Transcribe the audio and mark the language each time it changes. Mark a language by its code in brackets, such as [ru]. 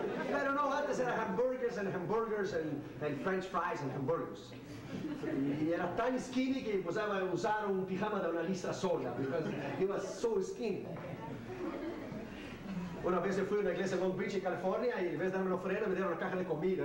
[es] Pero no, antes era [en] hamburgers and hamburgers and french fries and hamburgers. [es] Y era tan skinny que empezaba a usar un pijama de una lista sola. [en] Because it was so skinny. [es] Una vez fui a una iglesia en Long Beach, California, y en vez de darme una ofrenda, me dieron una caja de comida.